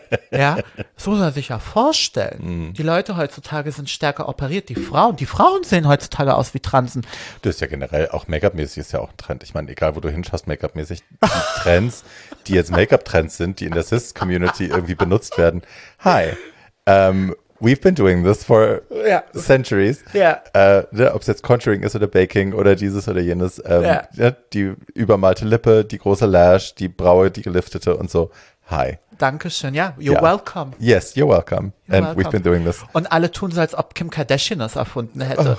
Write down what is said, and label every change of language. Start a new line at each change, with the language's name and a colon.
German: Ja, das muss man sich ja vorstellen. Die Leute heutzutage sind stärker operiert. Die Frauen sehen heutzutage aus wie Transen. Das ist ja generell auch Make-up-mäßig ist ja auch ein Trend. Ich meine, egal wo du hinschaust, Make-up-mäßig, die Trends, die jetzt Make-up-Trends sind, die in der Cis-Community irgendwie benutzt werden.
English: Hi, we've been doing this for centuries. Yeah.
German: Ob es jetzt Contouring ist oder Baking oder dieses oder jenes. Die übermalte Lippe, die große Lash, die Braue, die geliftete und so.
English: Hi.
German: Dankeschön, ja.
English: You're welcome. Yes, you're welcome. You're And welcome. We've been doing this.
German: Und alle tun so, als ob Kim Kardashian das erfunden hätte.